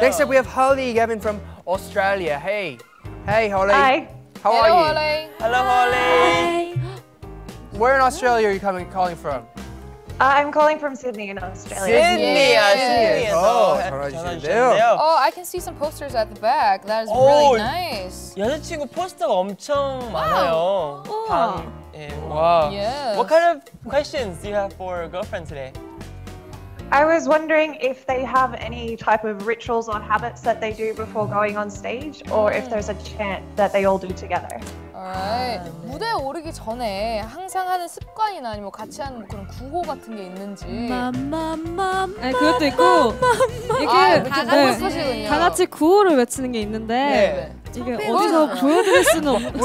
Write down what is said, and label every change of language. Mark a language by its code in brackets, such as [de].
[en] Next up, we have Holly Gavin from Australia. Hey. Hey, Holly. Hi. How Hello, are you? Holly. Hello, Holly. Hi. Where in Australia are you calling from? I'm calling from Sydney in Australia. Sydney. Yeah. Sydney. [ko] Oh, 잘하시는데요. [en] Oh, I can see some posters at the back. That is really nice. [ko] 여자친구 포스터가 엄청 많아요. [en] Oh. Wow. Yes. What kind of questions do you have for a girlfriend today? I was wondering if they have any type of rituals or habits that they do before going on stage, or if there's a chant that they all do together. [ko] Alright. 아, 네. 무대에 오르기 전에 항상 하는 습관이나 아니면 같이 하는 그런 구호 같은 게 있는지. 맘맘맘. 네, 그것도 있고. 이게 다 같이 구호를 외치는 게 있는데. 네. 이게 어디서 보여드릴 수는 없죠.